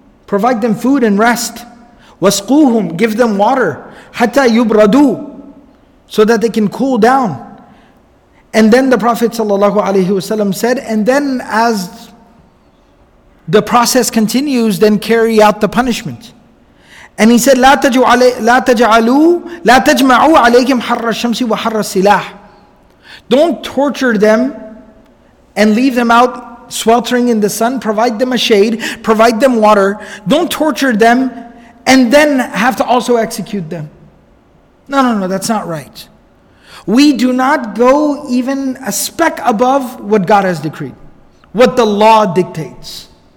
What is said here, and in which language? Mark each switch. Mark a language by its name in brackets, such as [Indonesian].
[English] Provide them food and rest. [Arabic] وَسْقُوهُمْ. [English] Give them water. [Arabic] حَتَّى يُبْرَدُوا. [English] So that they can cool down. And then the Prophet ﷺ said, and then as the process continues, then carry out the punishment. And he said, [Arabic] لا تجمعوا عليهم حر الشمس وحر السلاح. [English] Don't torture them and leave them out sweltering in the sun. Provide them a shade, provide them water. Don't torture them and then have to also execute them. No, that's not right. We do not go even a speck above what God has decreed, what the law dictates.